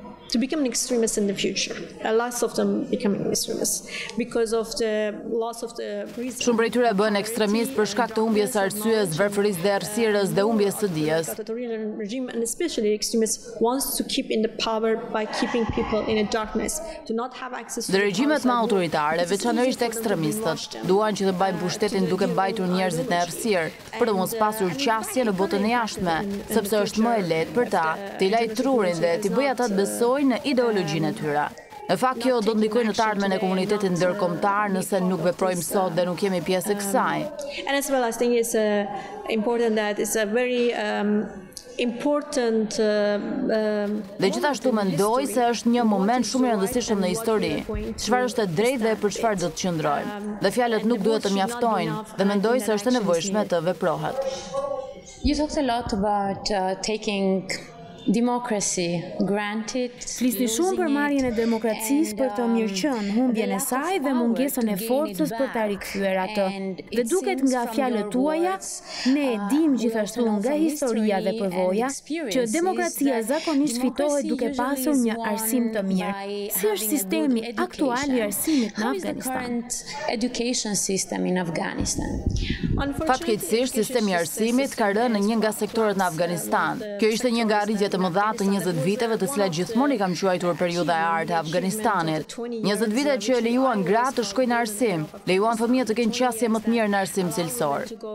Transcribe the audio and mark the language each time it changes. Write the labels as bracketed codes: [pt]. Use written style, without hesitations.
[en] To become an extremist in the future, a lot of them becoming extremists because of the loss of the reason. [sq] Shumë prej tyre bëhen ekstremist për shkak të humbjes së arsyes, varfërisë dhe errësirës dhe humbjes së dijes. [en] Especially extremists wants to keep in the power by keeping people in a darkness, to not have access. [sq] Dhe regjimet më autoritare, veçanërisht ekstremistët, duan që të mbajnë pushtetin duke mbajtur njerëzit në errësirë, për të mos pasur qasje në botën e jashtme, sepse është më e lehtë për ta të lajë trurin dhe të bëjë ata të besojnë në ideologjinë e tyre. Në fakt kjo do ndikojë në të ardhmen e komunitetit ndërkombëtar nëse nuk veprojmë sot dhe nuk jemi pjesë e kësaj. [en] And as well as thing is important that it's a very important [sq] dhe gjithashtu mendoj se është një moment shumë i rëndësishëm në histori. Çfarë është e drejtë dhe për çfarë do të qëndrojmë? Dhe fjalët nuk duhet të mjaftojnë dhe mendoj se është e nevojshme të veprohet. [en] You talked a lot about taking democracy granted. [sq] Flisni shumë për marrjen e demokracisë për të mirëqenë humbjen e saj dhe mungesën e forcës për ta rikthyer atë. Dhe duket nga fjalët tuaja, ne dim gjithashtu nga historia dhe përvoja që demokracia zakonisht fitohet duke pasur një arsim të mirë. Si është sistemi aktual i arsimit në Afganistan? [en] Education system in Afghanistan. [sq] Fatkeqësisht sistemi i arsimit ka rënë në një nga sektorët në Afganistan. Kjo ishte një nga arritjet të mëdha të 20 viteve të cilat gjithmonë i kam quajtur periudha e artë e Afganistanit. 20 vite që lejuan gratë të shkojnë në arsim, lejuan fëmijët të kenë qasje më të mirë në arsim cilësor.